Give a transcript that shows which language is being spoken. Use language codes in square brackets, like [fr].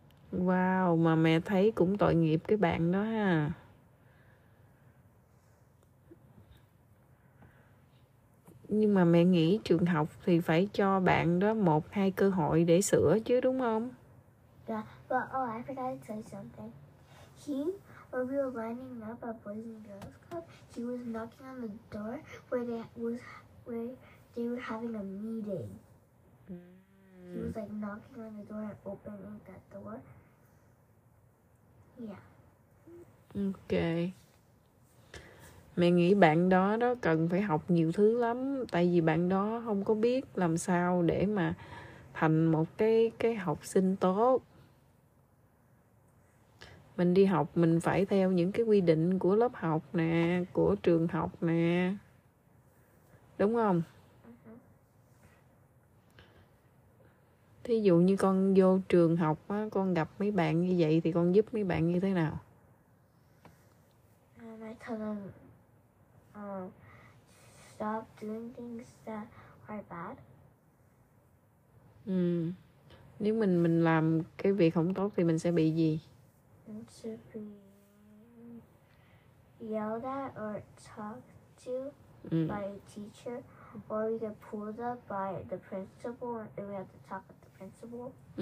[vi] Wow, mà mẹ thấy cũng tội nghiệp cái bạn đó ha. Nhưng mà mẹ nghĩ trường học thì phải cho bạn đó một hai cơ hội để sửa chứ đúng không? [en] Yeah, but oh, I forgot to say something. He, when we were lining up at Boys and Girls Club, he was knocking on the door where they were having a meeting. He was like knocking on the door and opening that door. Yeah. Ok. [vi] Mẹ nghĩ bạn đó đó cần phải học nhiều thứ lắm. Tại vì bạn đó không có biết làm sao để mà thành một cái học sinh tốt. Mình đi học mình phải theo những cái quy định của lớp học nè, của trường học nè. Đúng không? Thí dụ như con vô trường học á, con gặp mấy bạn như vậy thì con giúp mấy bạn như thế nào? [en] I tell them stop doing things that are bad. [vi] Nếu mình làm cái việc không tốt thì mình sẽ bị gì? Mình sẽ bị [en] yelled at or talked to by a teacher, or we get pulled up by the principal and we have to talk with the principal.